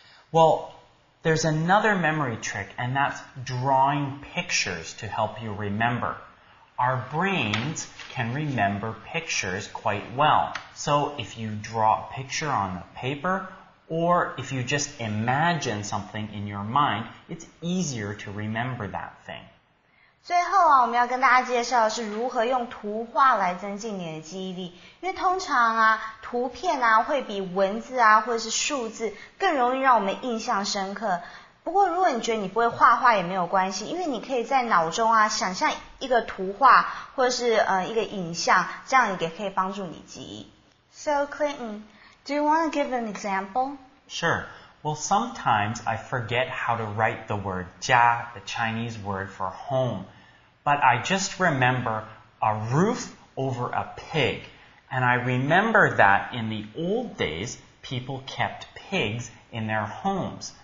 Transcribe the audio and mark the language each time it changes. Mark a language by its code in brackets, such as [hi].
[en] Well, there's another memory trick, and that's drawing pictures to help you remember. Our brains can remember pictures quite well. So, if you draw a picture on the paper, or if you just imagine something in your mind, it's easier to remember that thing. [zh] 最后啊，我们要跟大家介绍的是如何用图画来增进你的记忆力。因为通常啊，图片啊会比文字啊或者是数字更容易让我们印象深刻。不过如果你觉得你不会画画也没有关系，因为你可以在脑中啊想象一个图画或者是一个影像，这样也可以帮助你记忆。 [en] So Clayton, do you want to give an example? Sure. Well, sometimes I forget how to write the word 家, the Chinese word for home. But I just remember a roof over a pig. And I remember that in the old days, people kept pigs in their homes.